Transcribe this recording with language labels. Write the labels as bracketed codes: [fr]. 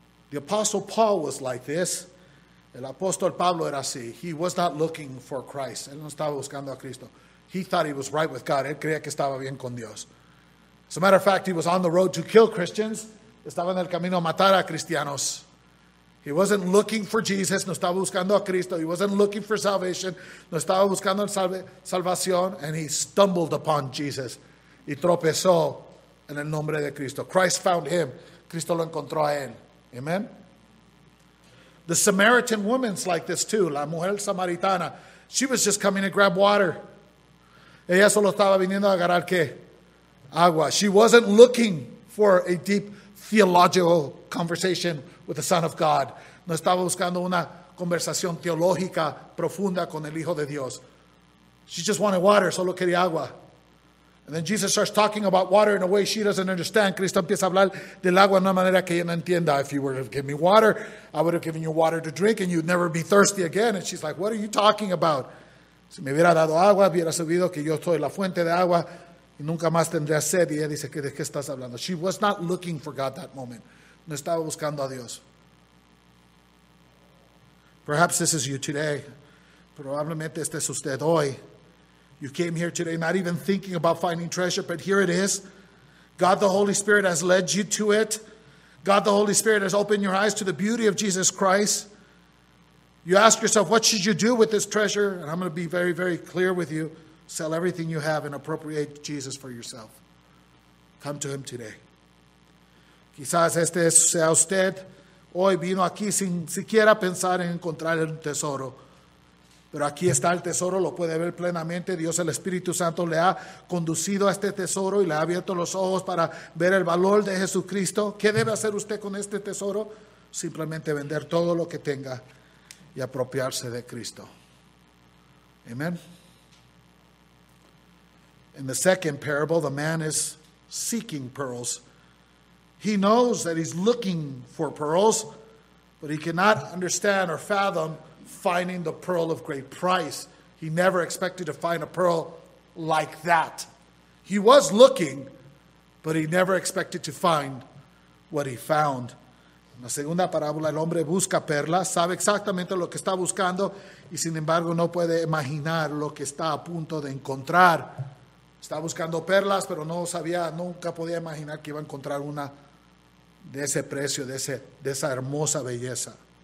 [en] The Apostle Paul was like this. [es] El apóstol Pablo era así. [en] He was not looking for Christ. [es] Él no estaba buscando a Cristo. [en] He thought he was right with God. [es] Él creía que estaba bien con Dios. [en] As a matter of fact, he was on the road to kill Christians. [es] Estaba en el camino a matar a cristianos. [en] He wasn't looking for Jesus. [es] No estaba buscando a Cristo. [en] He wasn't looking for salvation. [es] No estaba buscando salvación. [en] And he stumbled upon Jesus. [es] Y tropezó en el nombre de Cristo. [en] Christ found him. [es] Cristo lo encontró a él. Amen. [en] The Samaritan woman's like this too. [es] La mujer samaritana. [en] She was just coming to grab water. [es] Ella solo estaba viniendo a agarrar qué? Agua. [en] She wasn't looking for a deep theological conversation with the Son of God. [es] No estaba buscando una conversación teológica profunda con el Hijo de Dios. [en] She just wanted water. [es] Solo quería agua. [en] And then Jesus starts talking about water in a way she doesn't understand. [es] Cristo empieza a hablar del agua de una manera que ella no entienda. [en] If you were to give me water, I would have given you water to drink and you'd never be thirsty again. And she's like, what are you talking about? [es] Si me hubiera dado agua, hubiera sabido que yo soy la fuente de agua y nunca más tendría sed. Y ella dice, ¿de qué estás hablando? [en] She was not looking for God that moment. [es] No estaba buscando a Dios. [en] Perhaps this is you today. [es] Probablemente este es usted hoy. [en] You came here today not even thinking about finding treasure, but here it is. God the Holy Spirit has led you to it. God the Holy Spirit has opened your eyes to the beauty of Jesus Christ. You ask yourself, what should you do with this treasure? And I'm going to be very, very clear with you. Sell everything you have and appropriate Jesus for yourself. Come to him today. [es] Quizás este sea usted. Hoy vino aquí sin siquiera pensar en encontrar el tesoro. Pero aquí está el tesoro, lo puede ver plenamente. Dios, el Espíritu Santo, le ha conducido a este tesoro y le ha abierto los ojos para ver el valor de Jesucristo. ¿Qué debe hacer usted con este tesoro? Simplemente vender todo lo que tenga y apropiarse de Cristo. [en] Amen. In the second parable, the man is seeking pearls. He knows that he's looking for pearls, but he cannot understand or fathom finding the pearl of great price. He never expected to find a pearl like that. He was looking, but he never expected to find what he found. [es] En la segunda parábola, el hombre busca perlas, sabe exactamente lo que está buscando, y sin embargo no puede imaginar lo que está a punto de encontrar. Está buscando perlas, pero no sabía, nunca podía imaginar que iba a encontrar una de ese precio, de esa hermosa belleza.